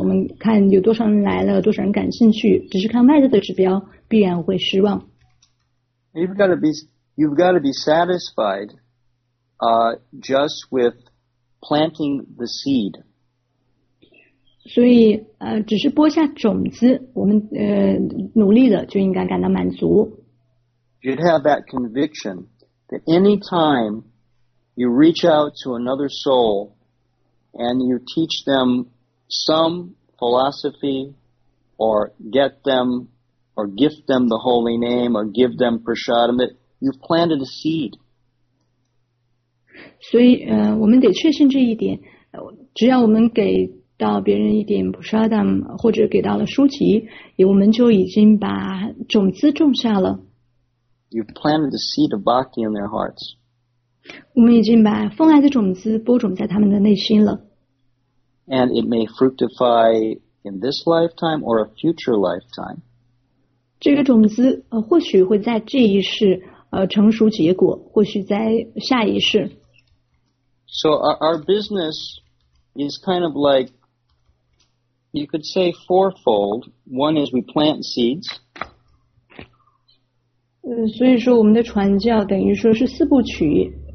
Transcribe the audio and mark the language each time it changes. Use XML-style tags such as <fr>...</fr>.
<zh>我们看有多少人来了，多少人感兴趣，只是看外在的指标，必然会失望。</zh> <en>You've got to be satisfied, just with planting the seed.</en> <zh>所以只是播下种子，我们努力的就应该感到满足。</zh> <en>You'd have that conviction that any time you reach out to another soul and you teach them some philosophy or get them or gift them the holy name or give them prasadam, that you've planted a seed.</en> <zh>所以我们得确信这一点，只要我们给到别人一点普沙达姆，或者给到了书籍，我们就已经把种子种下了。</zh> <en>You planted the seed of bhakti in their hearts.</en> <zh>我们已经把丰爱的种子播种在他们的内心了。</zh> <en>And it may fructify in this lifetime or a future lifetime.</en> <zh>这个种子或许会在这一世成熟结果，或许在下一世。</zh> <en>So our business is kind of like, you could say fourfold. One is we plant seeds.</en> <zh>所以说我们的传教等于说是四部曲。</zh>